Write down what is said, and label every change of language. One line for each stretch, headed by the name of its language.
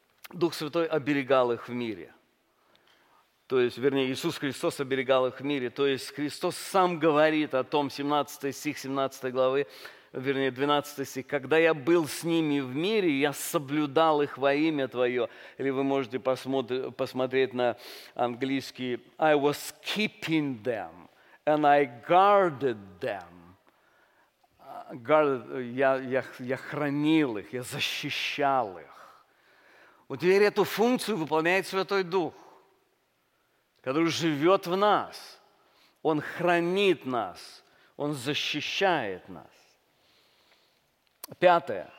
Russian: Дух Святой оберегал их в мире. То есть, вернее, Иисус Христос оберегал их в мире. То есть, Христос Сам говорит о том, 17 стих 17 главы, вернее, 12 стих: «Когда Я был с ними в мире, Я соблюдал их во имя Твое».
English: Или вы можете посмотреть на английский: «I was keeping them, and I guarded them».
Russian: Guarded, я хранил их, я защищал их. Вот теперь эту функцию выполняет Святой Дух, который живет в нас. Он хранит нас, Он защищает нас. Пятое.